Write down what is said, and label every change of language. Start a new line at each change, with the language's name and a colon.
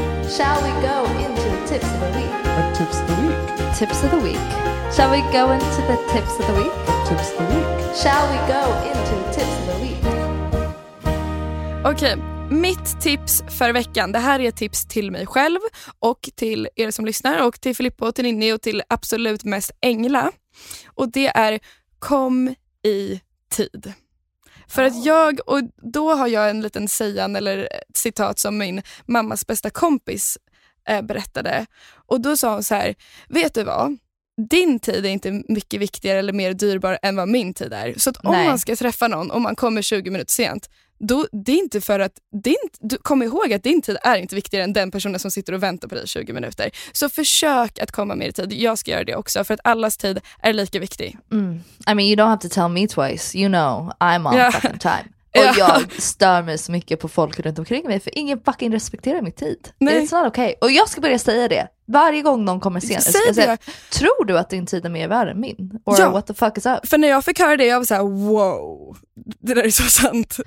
English: Shall we go into tips of the week? Tips of the week. Tips of the week. Shall we go into the tips of the week? Tips of the week. Shall we go into tips of the week?
Swedish: Okej, mitt tips för veckan. Det här är tips till mig själv och till er som lyssnar och till Filippo och till Ninni och till absolut mest Ängla. Och det är kom i tid. För att jag, och då har jag en liten sägan eller citat som min mammas bästa kompis berättade. Och då sa hon så här, vet du vad? Din tid är inte mycket viktigare eller mer dyrbar än vad min tid är. Så att om Nej. Man ska träffa någon och man kommer 20 minuter sent, då det är inte för att din, du kom ihåg att din tid är inte viktigare än den personen som sitter och väntar på dig 20 minuter. Så försök att komma mer i tid. Jag ska göra det också, för att allas tid är lika viktig.
English: Mm. I mean, you don't have to tell me twice. You know, I'm on fucking time.
Swedish: Och jag stör mig så mycket på folk runt omkring mig, för ingen fucking respekterar min tid. Nej.
English: It's not okay.
Swedish: Och jag ska börja säga det varje gång någon kommer senare. Säg det. Tror du att din tid är mer värd än min?
English: Or ja. What the fuck is up?
Swedish: För när jag fick höra det, jag var såhär, wow. Det där är så sant.